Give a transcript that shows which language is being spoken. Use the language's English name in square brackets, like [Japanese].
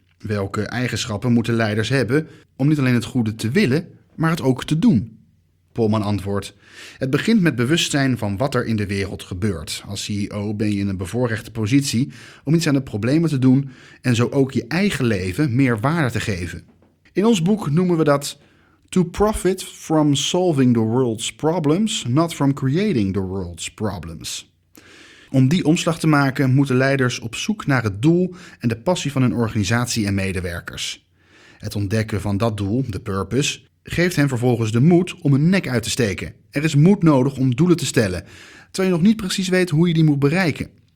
[Dutch] Welke eigenschappen moeten leiders hebben om niet alleen het goede te willen, maar het ook te doen? Polman antwoordt: het begint met bewustzijn van wat er in de wereld gebeurt. Als CEO ben je in een bevoorrechte positie om iets aan de problemen te doen en zo ook je eigen leven meer waarde te geven. In ons boek noemen we dat [English] to profit from solving the world's problems, not from creating the world's problems. [Dutch] Om die omslag te maken moeten leiders op zoek naar het doel en de passie van hun organisatie en medewerkers. Het ontdekken van dat doel, de purpose, geeft hen vervolgens de moed om hun nek uit te steken. Er is moed nodig om doelen te stellen, terwijl je nog niet precies weet hoe je die moet bereiken.